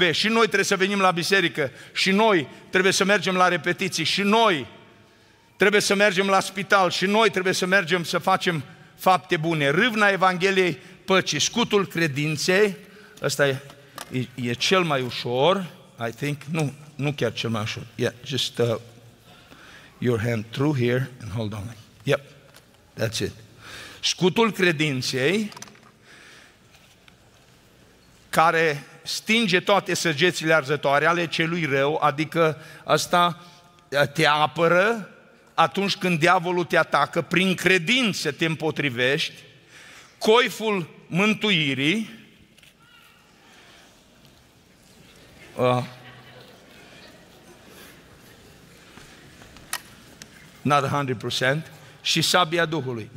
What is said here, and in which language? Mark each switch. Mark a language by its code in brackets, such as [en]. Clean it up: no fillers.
[ro] Și noi trebuie să venim la biserică. Și noi trebuie să mergem la repetiții. Și noi trebuie să mergem la spital. Și noi trebuie să mergem să facem fapte bune. Râvna Evangheliei păcii, scutul credinței. Ăsta e cel mai ușor, [en] I think. [ro] Nu chiar cel mai ușor. [en] Yeah, just your hand through here and hold on. Yep, that's it. [ro] Scutul credinței care stinge toate săgețile arzătoare ale celui rău, adică asta te apără atunci când diavolul te atacă, prin credință te împotrivești, coiful mântuirii, [en] not 100%, [ro] și sabia Duhului.